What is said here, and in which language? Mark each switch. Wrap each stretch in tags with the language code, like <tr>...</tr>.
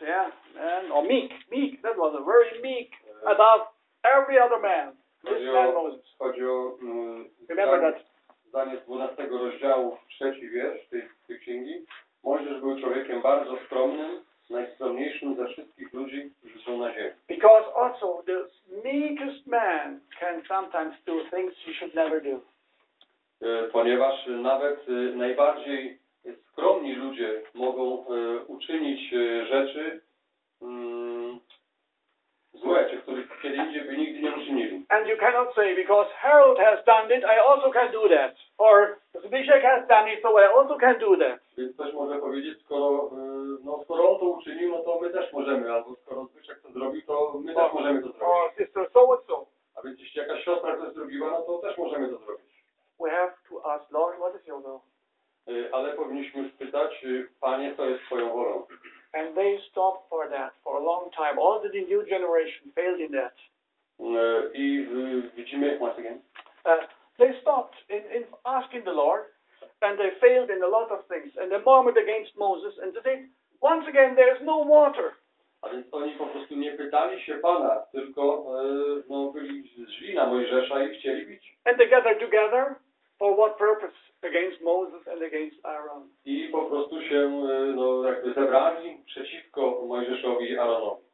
<en>yeah, man, or meek, that was a very meek above every other man, this man Moses.</en> <pl>Chodzi o,</pl> <en>remember that.</en> <pl>Zdanie z 12 rozdziału, trzeci wiersz tej księgi. Mojżesz był człowiekiem bardzo skromnym, najskromniejszym ze wszystkich ludzi, którzy są na ziemi.</pl> <en>Because also the meekest man can sometimes do things he should never do.</en> <pl>Ponieważ nawet najbardziej skromni ludzie mogą uczynić rzeczy złe, których kiedy indziej by nigdy nie uczynili.</pl> <en>And you cannot say, because Harold has done it, I also can do that. Or Zbyszek has done it, so I also can do that.</en> <pl>Więc ktoś może powiedzieć, skoro on to uczynił, no to my też możemy. Albo skoro Zbyszek to zrobił, to my też możemy to zrobić.</pl> <en>Sister, so what so?</en> <pl>A więc jeśli jakaś siostra to zrobiła, no to też możemy to zrobić.</pl> <en>We have to ask, Lord, what is your will?</en> <pl>Ale powinniśmy spytać, Panie, co jest Twoją wolą.</pl> <en>And they stopped for that for a long time. All the new generation failed in that.</en> <pl>I widzimy,</pl> <en>once again. They stopped in asking the Lord, and they failed in a lot of things. And they murmured against Moses, and they said, once again, there is no water.</en> <pl>A więc oni po prostu nie pytali się Pana, tylko byli źli na Mojżesza i chcieli bić.</pl> <en>And they gathered together. For what purpose? Against Moses and against Aaron.</en> <pl>I po prostu się jakby zebrali przeciwko Mojżeszowi i Aaronowi.</pl>